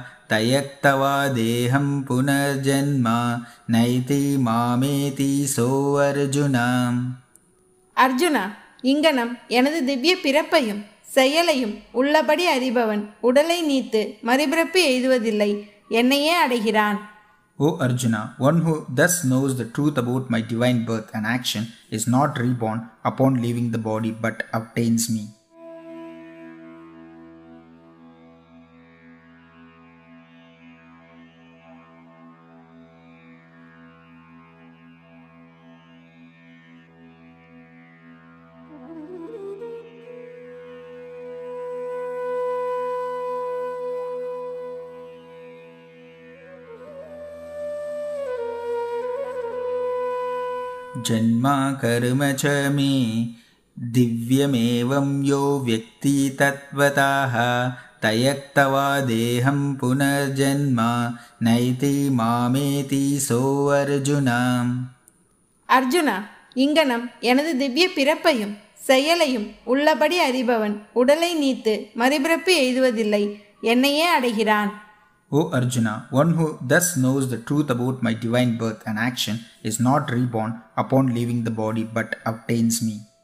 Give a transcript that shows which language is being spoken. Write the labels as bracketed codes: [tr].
[sa] தயக்தவா தேகம் புனர்ஜென்மா நைதி மாமேதி சோ அர்ஜுனா. [ta] அர்ஜுனா, இங்கனம் எனது திவ்ய பிறப்பையும் செயலையும் உள்ளபடி அறிபவன் உடலை நீத்து மறுபிறப்பு எய்துவதில்லை, என்னையே அடைகிறான். [en] O Arjuna, one who thus knows the truth about my divine birth and action is not reborn upon leaving the body but obtains me. [sa] ஜென்மா கர்ம ச மே திவ்யமேவம் யோ வ்யக்தி தத்வதாஹ தயக்தவா தேஹம் புனர்ஜென்மா நைதி மாமேதி சோ அர்ஜுனா. [ta] அர்ஜுனா, இங்கனம் எனது திவ்ய பிறப்பையும் செயலையும் உள்ளபடி அறிபவன் உடலை நீத்து மறுபிறப்பு எய்துவதில்லை, என்னையே அடைகிறான். [en] O Arjuna, one who thus knows the truth about my divine birth and action is not reborn upon leaving the body but obtains me.